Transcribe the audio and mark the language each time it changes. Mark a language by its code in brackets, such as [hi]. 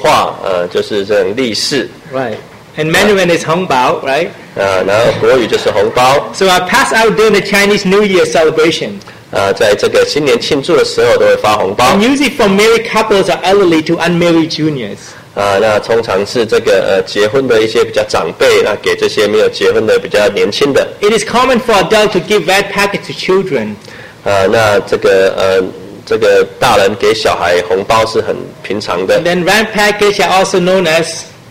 [zh] 那这个我们知道红包，有这个广东话，就是这种利是。 [en] Right. And Mandarin is hongbao, right? [zh] 然后国语就是红包。 [en] So I pass out during the Chinese New Year celebration. [zh] 在这个新年庆祝的时候都会发红包。 [en] And usually for married couples or elderly to unmarried juniors. [zh] 那通常是这个结婚的一些比较长辈，那给这些没有结婚的比较年轻的。 [en] It is common for adults to give red packets to children. [zh] 那这个大人给小孩红包是很平常的。 [en] And then red packets are also known as